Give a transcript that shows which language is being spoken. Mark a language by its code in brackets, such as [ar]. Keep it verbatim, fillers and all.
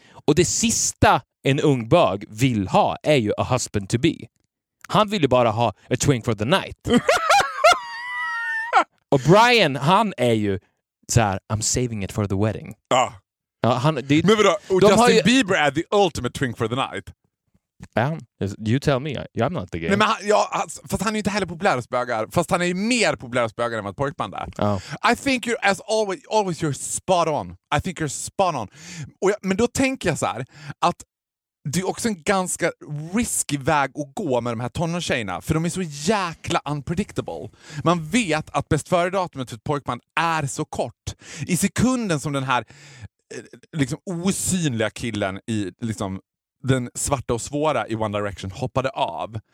[sv] Och det sista en ung bög vill ha är ju [en] a husband to be. [sv] Han vill ju bara ha [en] a twink for the night. [sv] Och Brian, han är ju så här, [en] I'm saving it for the wedding. [sv] Ja. Ja, han, det, men vadå, och Justin ju... [en] Bieber är the ultimate twink for the night. Um, you tell me, I'm not the gay. [sv] Nej, men han, ja, fast han är ju inte heller populär hos bögar. Fast han är ju mer populär hos bögar än vad pojkband är. [en] Oh. I think you're, as always, always you're spot on. I think you're spot on. [sv] Och jag, men då tänker jag så här, att det är också en ganska risky väg att gå med de här tonårstjejerna. För de är så jäkla unpredictable. Man vet att bäst föredatumet för ett pojkband är så kort. I sekunden som den här liksom osynliga killen i liksom den svarta och svåra i One Direction hoppade av